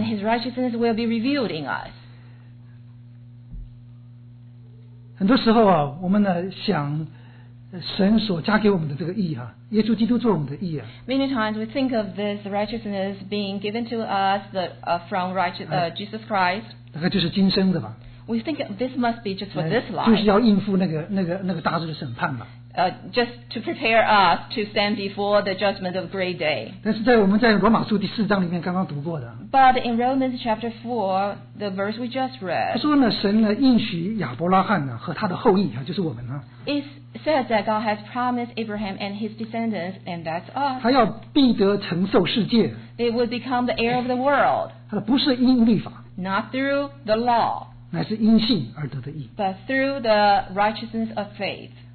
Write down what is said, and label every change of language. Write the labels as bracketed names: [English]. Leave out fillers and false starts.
[English] and his righteousness will be revealed in us. [Chinese] 很多时候啊, 我们呢, 想, 神所加给我们的这个义啊, 耶稣基督做我们的义啊, [English] many times we think of this righteousness being given to us from Jesus Christ, [Chinese] 那个就是今生的吧, [English] We think this must be just for this life. [Chinese] 就是要应付那个大日的审判嘛。 [English] Just to prepare us to stand before the judgment of great day. [Chinese] 但是在我们在罗马书第四章里面刚刚读过的。 [English] But in Romans chapter 4, the verse we just read. [Chinese] 他说呢，神呢应许亚伯拉罕呢和他的后裔啊，就是我们呢。 [English] It says that God has promised Abraham and his descendants, and that's us. [Chinese] 他要必得承受世界。 [English] They will become the heir of the world. [Chinese] 他的不是因律法。 [English] Not through the law. [Chinese] 乃是因信而得的义。 [English] But through the righteousness of faith.